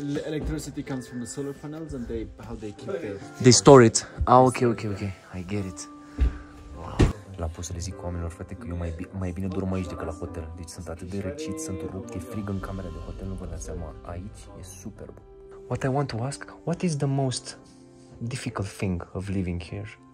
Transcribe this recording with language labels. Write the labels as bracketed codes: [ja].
[en] Electricity comes from the solar panels and how they keep it. They store it. Ah, okay. I get it. [ro] La pot să le zic cu oamenilor, frate, că eu mai bine dorm aici decât la hotel. Deci sunt atât de răcit, sunt rupt, e frig în camera de hotel, nu vă dați seama. Aici e superb. [en] What I want to ask, what is the most difficult thing of living here?